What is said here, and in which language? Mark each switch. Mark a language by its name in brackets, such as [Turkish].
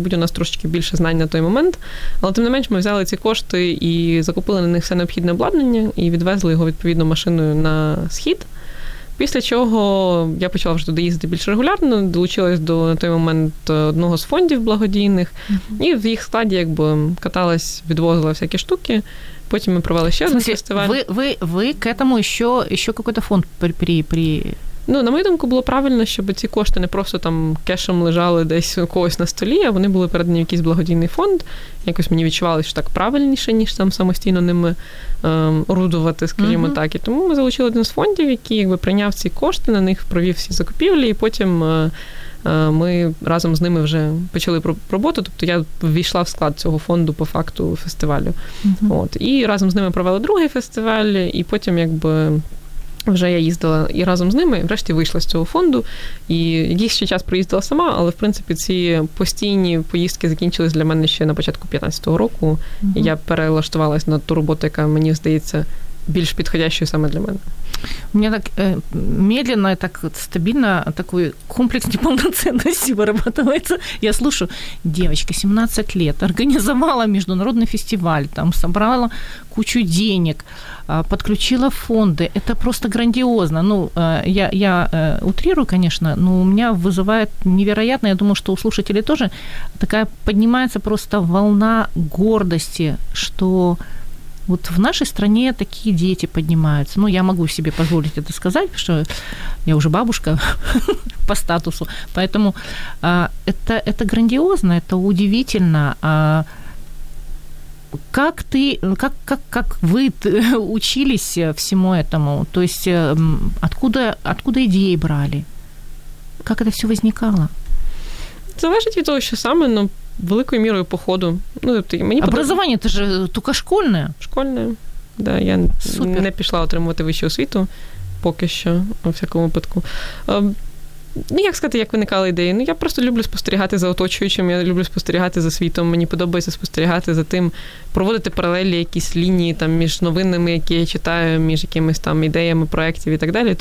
[Ukrainian] Будь у нас трошечки більше знань на той момент. Але тим не менш, ми взяли ці кошти і закупили на них все необхідне обладнання і відвезли його відповідно машиною на схід. Після чого я почала вже туди їздити більш регулярно, долучилась до на той момент одного з фондів благодійних, і в їх складі якби каталась, відвозила всякі штуки. Потім ми провели ще один фестиваль. [Russian] Ви к этому ще какой-то фонд при [Ukrainian] Ну, на мою думку, було правильно, щоб ці кошти не просто там кешем лежали десь у когось на столі, а вони були передані в якийсь благодійний фонд. Якось мені відчувалося, що так правильніше, ніж там самостійно ними орудувати, скажімо так. І тому ми залучили один з фондів, який якби прийняв ці кошти, на них провів всі закупівлі, і потім ми разом з ними вже почали роботу. Тобто я ввійшла в склад цього фонду по факту фестивалю. Uh-huh. От. І разом з ними провели другий фестиваль, і потім якби... Вже я їздила і разом з ними, врешті вийшла з цього фонду, і якийсь ще час проїздила сама, але, в принципі, ці постійні поїздки закінчились для мене ще на початку 15-го року. Угу. Я перелаштувалась на ту роботу, яка, мені здається, більш підходящою саме для мене. У мене так медленно і так стабільно такий комплекс неповноцінності виробляється. Я слушаю, дівчинка, 17 років, організувала міжнародний фестиваль, там, зібрала [Russian] кучу денег, подключила фонды. Это просто грандиозно. Ну, я утрирую, конечно, но у меня вызывает невероятно, я думаю, что у слушателей тоже, такая поднимается просто волна гордости, что вот в нашей стране такие дети поднимаются. Ну, я могу себе позволить это сказать, потому что я уже бабушка по статусу. Поэтому это грандиозно, это удивительно. Как ты, как вы учились всему этому? То есть откуда идеи брали? Как это все возникало? [Ukrainian] Залежить від того, що саме, ну, великою мірою по ходу. Ну, тобто, мені образування, це ж тільки школьне. Школьне, так. Да, я Супер. Не пішла отримувати вищу освіту поки що, у всякому випадку. Ну, як сказати, як виникали ідеї? Ну, я просто люблю спостерігати за оточуючим, я люблю спостерігати за світом, мені подобається спостерігати за тим, проводити паралелі якісь лінії там між новинами, які я читаю, між якимись там ідеями, проєктів і так далі.